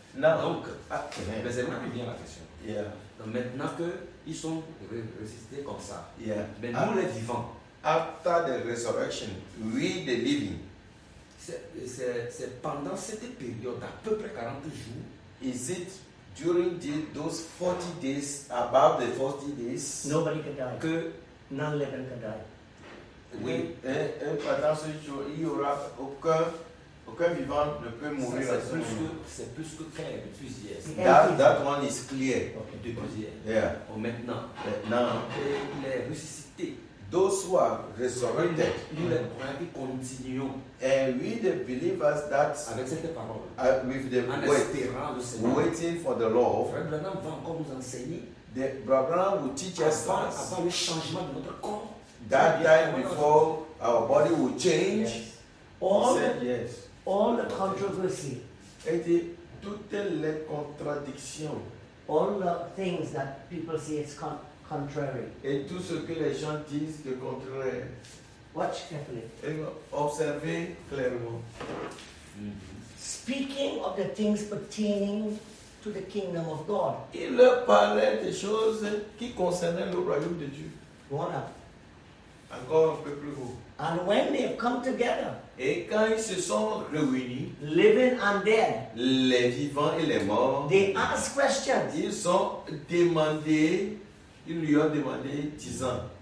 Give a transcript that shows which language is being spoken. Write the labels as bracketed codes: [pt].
[fr] Donc, c'est moi qui viens la question. [en] Yeah. [fr] Donc maintenant qu'ils sont ressuscités comme ça, [en] yeah. [fr] Mais nous les vivants. [en] After the resurrection, we the living. [fr] C'est pendant cette période d'à peu près 40 jours. [en] Is it during those 40 days, about the 40 days? Nobody can die. [fr] Que [en] non living can die. [fr] Oui. Et pendant ce jour, il y aura aucun vivant ne peut mourir. C'est plus que clair depuis hier. [en] That one is clear. [fr] Okay. Depuis hier. [en] Yeah. [fr] Oh, maintenant. Maintenant. Il est ressuscité. [en] Those who are resurrected, [fr] nous les croyants qui continuons, [en] and we the believers that [fr] avec cette parole, [en] with the waiting for the Lord, [fr] Frère Branham va encore nous enseigner. [en] The Branham will teach us [fr] avant le changement de notre corps. [en] That time before our body will change. Yes. All the controversy. [fr] Et toutes les contradictions. [en] All the things that people say it's come. Contrary. [fr] Et tout ce que les gens disent de contraire. [en] Watch carefully. [fr] Et observez clairement. [en] Speaking of the things pertaining to the kingdom of God. [fr] Il leur parlait des choses qui concernaient le royaume de Dieu. Voilà. encore un peu plus haut. [en] And when they come together, [fr] et quand ils se sont réunis, [en] living and dead, [fr] les vivants et les morts, [en] they ask questions. [fr] Ils ont demandé, ils lui ont demandé 10 ans.